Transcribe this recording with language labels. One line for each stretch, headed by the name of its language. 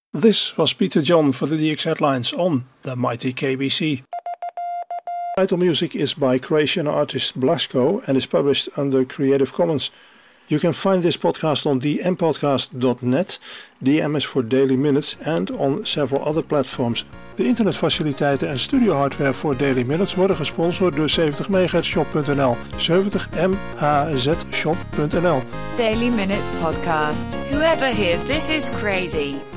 English: This was Peter John for the DX Headlines on the mighty KBC. Title music is by Croatian artist Blasko and is published under Creative Commons. You can find this podcast on dmpodcast.net, DM is for Daily Minutes, and on several other platforms.
Dutch: De internetfaciliteiten en studio hardware voor Daily Minutes worden gesponsord door 70MHzShop.nl, 70MHzShop.nl.
English: Daily Minutes Podcast. Whoever hears this is crazy.